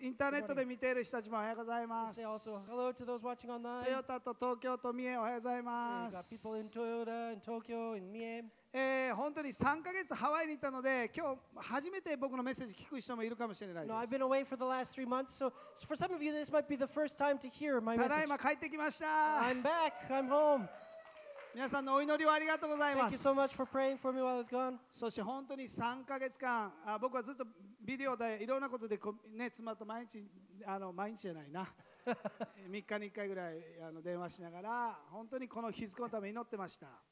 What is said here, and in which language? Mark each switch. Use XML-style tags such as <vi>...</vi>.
<ja>インターネットで見ている人たちもおはようございます。</ja> <en>Hello to those watching online.</en> <ja>トヨタと東京と三重おはようございます。</ja> <en>We've got people in Toyota, in Tokyo, in Mie.</en> <ja>本当に3ヶ月ハワイに行ったので今日初めて僕のメッセージ聞く人もいるかもしれないです。</ja> <en>No, I've been away for the last 3 months, so for some of you this might be the first time to hear my message.</en> <ja>ただいま帰ってきました。</ja> <en>I'm back, I'm home.</en> <ja>皆さんのお祈りをありがとうございます。</ja> <en>Thank you so much for praying for me while I was gone.</en> <ja>そして本当に3ヶ月間僕はずっとビデオでいろんなことで、ね、妻と毎日毎日じゃないな3日に1回ぐらい電話しながら本当にこの日付のために祈ってました。</ja>